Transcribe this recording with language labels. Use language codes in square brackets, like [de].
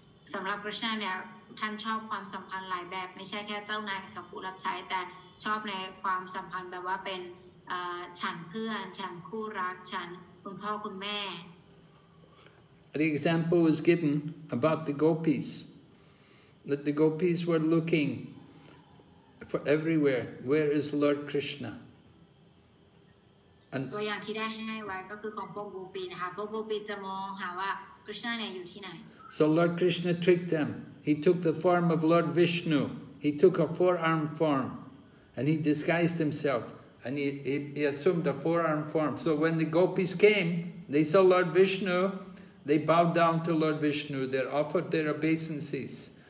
[en] The example was given about the gopis, that the gopis were looking for everywhere, where is Lord Krishna? [th] And ตัวอย่างที่ได้ให้ไว้ก็คือของพวกกุปีนะคะพวกกุปีจะมองหาว่าคริสต์เนี่ยอยู่ที่ไหน [en] So Lord Krishna tricked them. He took the form of Lord Vishnu. He took a four-arm form and he disguised himself and he assumed a four-arm form. So when the gopis came, they saw Lord Vishnu, they bowed down to Lord Vishnu, they offered their obeisances.